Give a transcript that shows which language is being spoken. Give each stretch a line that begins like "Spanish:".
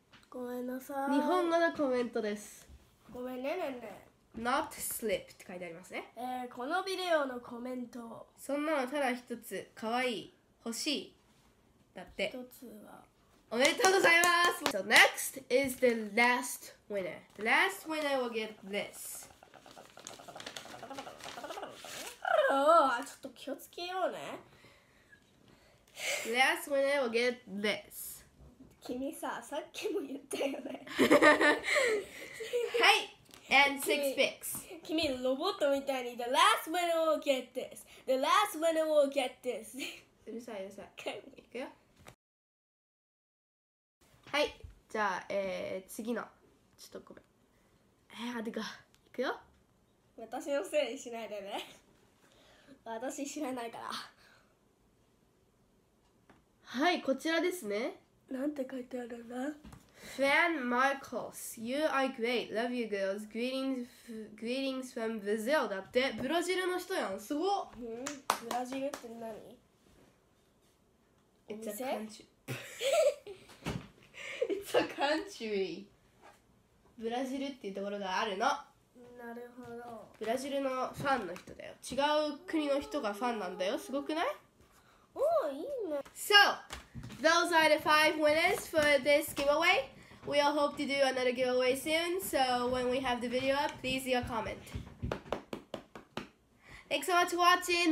Japanese: ごめんなさい。日本語のコメントです。ごめんね、ねんね。
English: Not slip
Japanese: って書いてありますね。このビデオのコメント。そんなのただ一つ、かわいい、欲しい、だって。一つは。おめでとうございます。
English: So next is the last winner. The last winner will get this.
Japanese: ちょっと気をつけようね。
English: Last winner will get this.
Japanese: 君さ、さっきも言ったよね。
English: はい、and 6 picks。
Japanese: 君ロボットみたいに
English: The last winner will get this。 The last winner will get this。
Japanese: うるさい、うるさい。いくよ。はい、じゃあ、次の、ちょっとごめん、あてか、いくよ。私のせいにしないでね。私知らないから。はい、こちらですね。なんて書いてあるんだ。
English: Fan Marcos, you are great. Love you girls. Greetings, greetings from Brazil.
Japanese: だって、ブラジルの人やん。すごっ。うん、ブラジルって何？お店？
English: It's a country. It's a country.
Japanese: ブラジルっていうところがあるの。なるほど。ブラジルのファンの人だよ。違う国の人がファンなんだよ。すごくない？おー、いいね。
English: So! Those are the five winners for this giveaway. We all hope to do another giveaway soon. So when we have the video up, please leave a comment. Thanks so much for watching.